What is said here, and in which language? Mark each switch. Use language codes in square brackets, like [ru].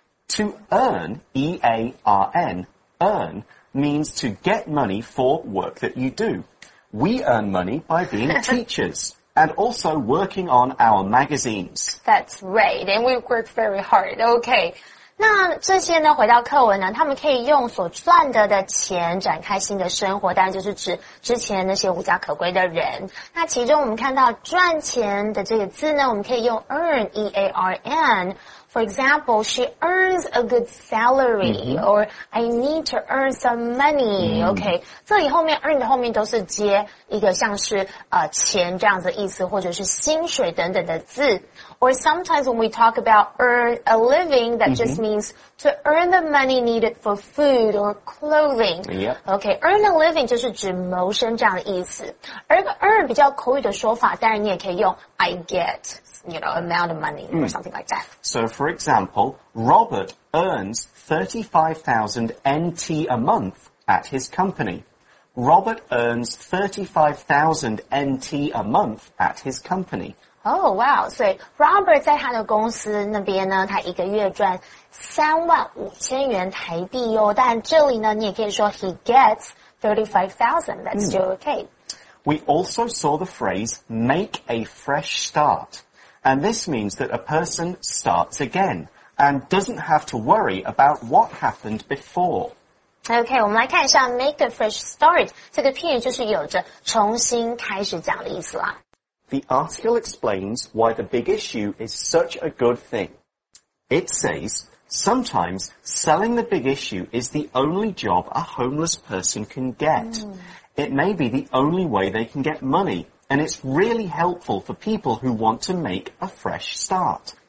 [en] To earn, E-A-R-N,Earn means to get money for work that you do. We earn money by being teachers and also working on our magazines. That's right, and we work very hard. Okay, [zh] 那这些呢，回到课文呢，他们可以用所赚得的钱展开新的生活，当然就是指之前那些无家可归的人。那其中我们看到赚钱的这个字呢，我们可以用 earn, E-A-R-N。 [en] For example, she earns a good salary,、mm-hmm. or I need to earn some money,、mm-hmm. okay. [zh] 这里后面 earn 的后面都是接一个像是、钱这样子的意思或者是薪水等等的字。 [en] Or sometimes when we talk about earn a living, that、mm-hmm. just means to earn the money needed for food or clothing.、 Yep. [zh] Okay, earn a living 就是指谋生这样的意思。而 earn 比较口语的说法，当然你也可以用 [en] I get. You know, amount of money or something like that. So, for example, Robert earns 35,000 NT a month at his company. Robert earns 35,000 NT a month at his company. Oh, wow. So, [zh] Robert 在他的公司那边呢，他一个月赚35,000元台币哦。但这里呢，你也可以说 [en] he gets 35,000. That's still okay. We also saw the phrase, make a fresh start. And this means that a person starts again and doesn't have to worry about what happened before. [zh] Okay, 我们来看一下 [en] make a fresh start. [zh] 这个片语就是有着重新开始这样的意思啦。 [en] The article explains why the big issue is such a good thing. It says, sometimes selling the big issue is the only job a homeless person can get. It may be the only way they can get money. And it's really helpful for people who want to make a fresh start.